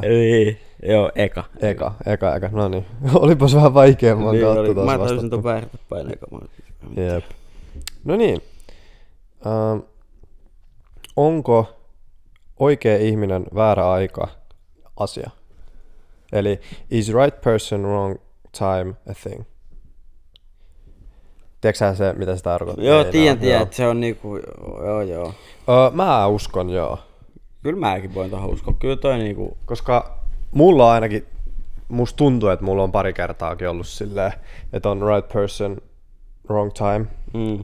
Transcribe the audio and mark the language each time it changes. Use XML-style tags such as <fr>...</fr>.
<fi>Niin, joo, eka. Eka. No niin, olipas vähän vaikea, mä oon niin, kautta taas vastattu. Mä taisin ton väärinpäin eka. Jep. No niin. Onko oikea ihminen väärä aika asia?</fi> <en>Eli is right person wrong time a thing?</en> <fi>Tiedätkö sä se, mitä se tarkoittaa? Joo, tiedän, että se on niinku, joo. Mä uskon, joo. Kyllä mäkin voin tuohon uskoa. Kyllä toi niinku... Koska mulla ainakin, musta tuntuu, että mulla on pari kertaakin ollut silleen, että on</fi> <en>right person, wrong time.</en> <fi>Mm.</fi>